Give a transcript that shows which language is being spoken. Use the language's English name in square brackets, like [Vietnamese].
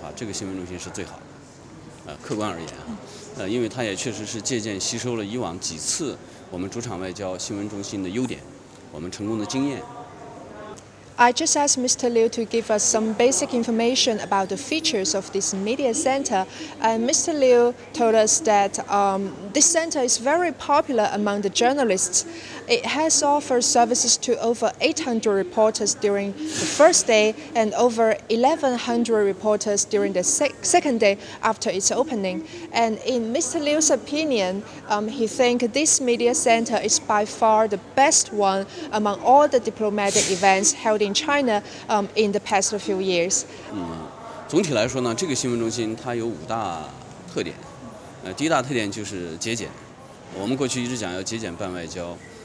[Chinese] 昨天这个一天，860名记者中外记者进入我们的新闻中心开展工作。到今天为止，到目前根据我们的统计累计是1180名中外记者已经进到新闻中心来工作了。这个新闻中心，大家普遍的感觉是非常新颖，非常有特点。从我个人来看呢，跟以往我们几次主场外交，我们这个设立的新闻中心比较的话，这个新闻中心是最好的。客观而言啊。因为它也确实是借鉴吸收了以往几次我们主场外交新闻中心的优点，我们成功的经验。I [English] just asked Mr. Liu to give us some basic information about the features of this media center, and Mr. Liu told us that this center is very popular among the journalists. It has offered services to over 800 reporters during the first day and over 1,100 reporters during the second day after its opening. And in Mr. Liu's opinion, he thinks this media center is by far the best one among all the diplomatic events held in China in the past few years. [Chinese] 总体来说呢，这个新闻中心它有五大特点。第一大特点就是节俭。我们过去一直讲要节俭办外交。